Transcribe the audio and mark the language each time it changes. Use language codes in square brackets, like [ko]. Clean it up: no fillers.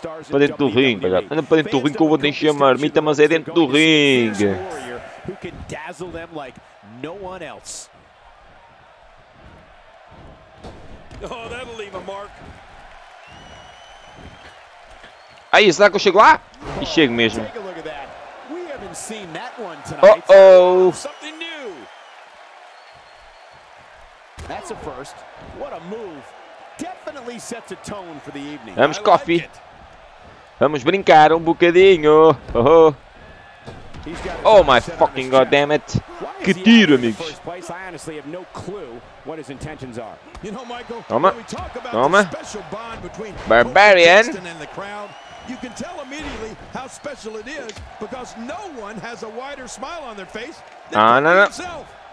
[pt] Para dentro do ringue, velho. Anda para dentro do ringue que eu vou te encher a marmita, mas é dentro do ringue. [en] Who can dazzle them like no one else. Oh, that'll leave a mark. [pt] Aí, será que eu chego lá? E chego mesmo. [en] We haven't seen that one tonight. Oh, something new. That's a first. What a move. Definitely sets a tone for the evening. [pt] Vamos, Kofi. Vamos brincar um bocadinho. Oh. [en] Oh my fucking god damn it. [pt] Que tiro, amigos. [en] I honestly have no clue what his intentions are. You know, Michael, [pt] toma. [en] When we talk about [pt] toma. [en] The special bond between Barbarian and the crowd, you can tell immediately how special it is because no one has a wider smile on their face than himself.